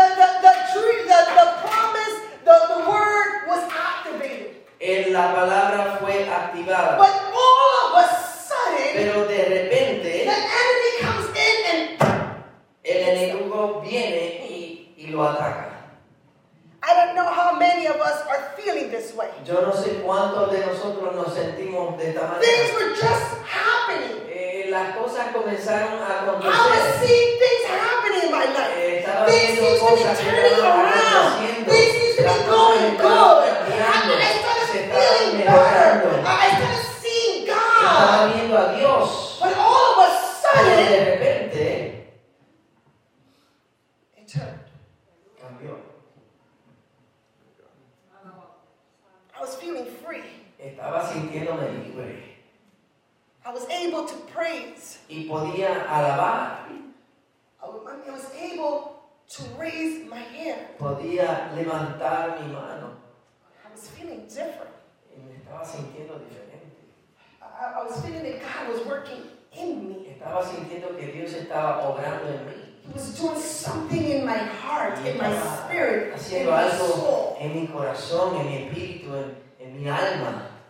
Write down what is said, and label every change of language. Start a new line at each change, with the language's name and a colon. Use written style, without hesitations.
English: The promise, the word was activated.
Spanish: En la palabra fue activada.
English: But all of a sudden,
Spanish: pero de repente,
English: the enemy comes in and
Spanish: el enemigo viene y lo ataca.
English: I don't know how many of us are feeling this way.
Spanish: Yo no sé cuántos de nosotros nos sentimos de esta manera.
English: Things were just happening.
Spanish: Las cosas comenzaron a acontecer.
English: I was seeing things happening in my life. Things seemed to be turning around. Things seemed to be going good. I started feeling better. I started seeing God.
Spanish: Estaba viendo a Dios.
English: But all of a sudden,
Spanish: de repente,
English: it turned.
Spanish: Cambió.
English: I was feeling free.
Spanish: Estaba sintiéndome libre.
English: I was able to praise.
Spanish: Y podía alabar.
English: I was able to raise my hand.
Spanish: Podía levantar mi mano.
English: I was feeling different.
Spanish: Y me estaba sintiendo diferente.
English: I was feeling that God was working in me.
Spanish: Estaba sintiendo que Dios estaba obrando en mí.
English: He was doing something in my heart, in my spirit,
Spanish: haciendo algo
English: my soul.
Spanish: En mi corazón, en mi espíritu, en mi alma.